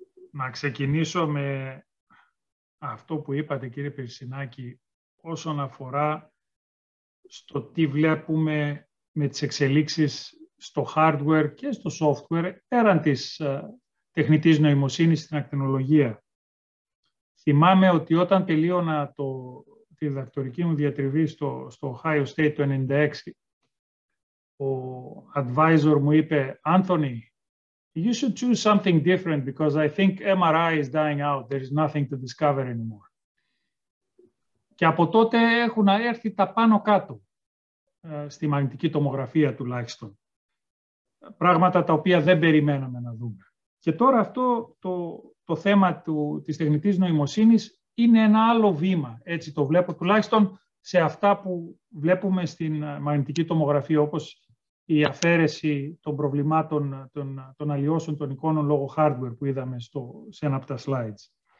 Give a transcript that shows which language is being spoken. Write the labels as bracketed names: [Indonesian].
[Greek] Να ξεκινήσω με αυτό που είπατε, κύριε Περσινάκη, όσον αφορά στο τι βλέπουμε με τις εξελίξεις στο hardware και στο software πέραν της τεχνητής νοημοσύνης στην ακτινολογία. Θυμάμαι ότι όταν τελείωνα τη διδακτορική μου διατριβή στο Ohio State το 96, ο advisor μου είπε, Anthony, [English] you should choose something different because I think MRI is dying out. There is nothing to discover anymore. [Greek] Και από τότε έχουν έρθει τα πάνω κάτω, στη μαγνητική τομογραφία τουλάχιστον. Πράγματα τα οποία δεν περιμέναμε να δούμε. Και τώρα αυτό το θέμα της τεχνητής νοημοσύνης είναι ένα άλλο βήμα, έτσι το βλέπω, τουλάχιστον σε αυτά που βλέπουμε στην μαγνητική τομογραφία, όπως η αφαίρεση των προβλημάτων των αλλοιώσεων των εικόνων λόγω hardware που είδαμε σε ένα από τα slides.